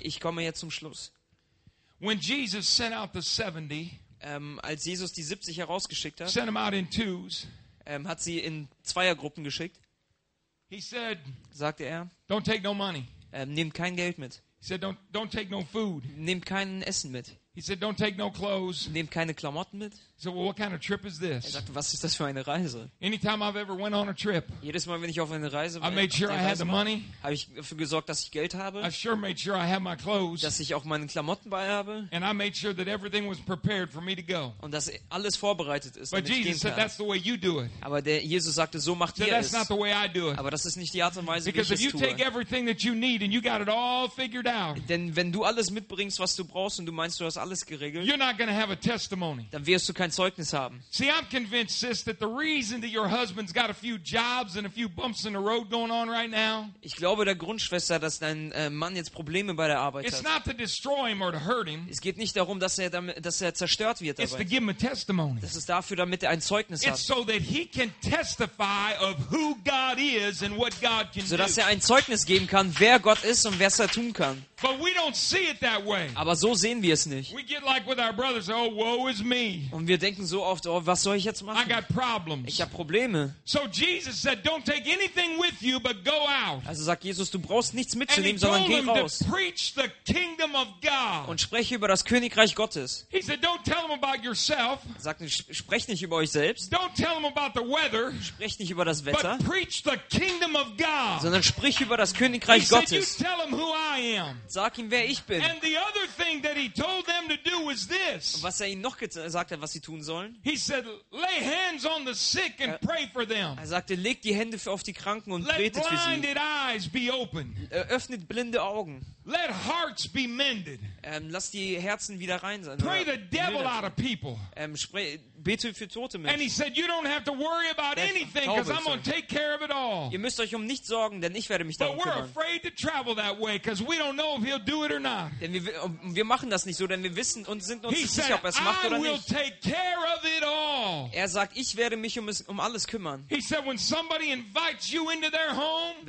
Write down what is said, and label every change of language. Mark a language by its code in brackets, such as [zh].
[de] Ich komme jetzt zum Schluss. [en] When Jesus sent out the 70. [de] Als Jesus die 70 herausgeschickt hat, [en] sent them out in twos, [de] hat sie in Zweiergruppen geschickt. [en] He said, [de] sagte er, [en] don't take no money. [de] Nimm kein Geld mit. [en] He said, don't take no food. [de] Nimm kein Essen mit. [en] He said, don't take no clothes. [de] Nimm keine Klamotten mit. [en] He said, well, what kind of trip is this? [de] Er sagte, was ist das für eine Reise? [en] Anytime I've ever went on a trip, [de] jedes Mal, wenn ich auf eine Reise war, [en] I made sure I had the money. [de] Habe ich dafür gesorgt, dass ich Geld habe. [en] I sure made sure I had my clothes. [de] Dass ich auch meine Klamotten bei habe. [en] And I made sure that everything was prepared for me to go. [de] Und dass alles vorbereitet ist, damit ich gehen kann. [en] That's the way you do it. [de] Aber der Jesus sagte, so macht ihr es. [en] That's not the way I do it. [de] Aber das ist nicht die Art und Weise, [en] because [de] wie ich es tue. [en] Because if you take everything that you need and you got it all figured out, [de] denn wenn du alles mitbringst, was du brauchst, und du meinst, du hast alles geregelt, [en] you're not going to have a testimony. [de] Dann wirst du kein Zeugnis haben. [en] See, I'm convinced, sis, that the reason that your husband's got a few jobs and a few bumps in the road going on right now, [de] ich glaube der Grundschwester, dass dein Mann jetzt Probleme bei der Arbeit [en] it's [de] hat. [en] Not to destroy him or to hurt him. [de] Es geht nicht darum, dass er zerstört wird dabei. [en] It's to give him a testimony. [de] Das ist dafür, damit er ein Zeugnis [en] it's [de] hat. [en] So that he can testify of who God is and what God can [de] so dass [en] do. [de] Er ein Zeugnis geben kann, wer Gott ist und was er tun kann. [en] But we don't see it that way. [de] Aber so sehen wir es nicht. [en] We get like with our brothers, oh, woe is me. [de] Und wir denken so oft, oh, was soll ich jetzt machen? [en] I got problems. [de] Ich habe Probleme. [en] So Jesus said, don't take anything with you, but go out. [de] Also sagt Jesus, du brauchst nichts mitzunehmen, sondern geh raus. [en] To preach the kingdom of God. [de] Und spreche über das Königreich Gottes. [en] He said, don't tell them about yourself. [de] Sagt, sprecht nicht über euch selbst. [en] Don't tell them about the weather. [de] Sprecht nicht über das Wetter. [en] But preach the kingdom of God. [de] Sondern sprich über das Königreich [en] he [de] Gottes. [en] Said, you tell them who I am. [de] Sag ihm, wer ich bin. Und was er ihnen noch gesagt hat, was sie tun sollen. Er sagte, leg die Hände auf die Kranken und betet für sie. [en] Eyes be open. [de] Öffnet blinde Augen. [en] Let hearts be mended. [de] Lass die Herzen wieder rein sein. [en] Pray the devil out of people. [de] Bete für tote Menschen. [en] And he said, you don't have to worry about anything, because I'm going to take care of it all. [de] Ihr müsst euch um nichts sorgen, denn ich werde mich darum kümmern. [en] But we're afraid to travel that way, because we don't know if he'll do it or not. [de] Denn wir machen das nicht so, denn wir wissen und sind uns nicht sicher, ob er es macht oder nicht. [en] I will take care of it all. [de] Er sagt, ich werde mich um alles kümmern. [en] He said, when somebody invites you into their home,